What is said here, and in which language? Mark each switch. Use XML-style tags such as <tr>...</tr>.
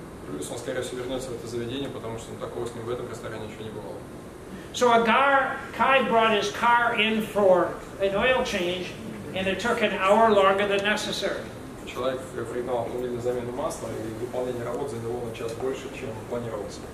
<ru>Плюс он, скорее всего, вернется в это заведение, потому что такого с ним в этом ресторане еще не бывало.</ru> <en>So a guy brought his car in for an oil change, and it took an hour longer than necessary.</en> <ru>Человек пригнал автомобиль на замену масла, и выполнение работ заняло на час больше, чем планировалось.</ru>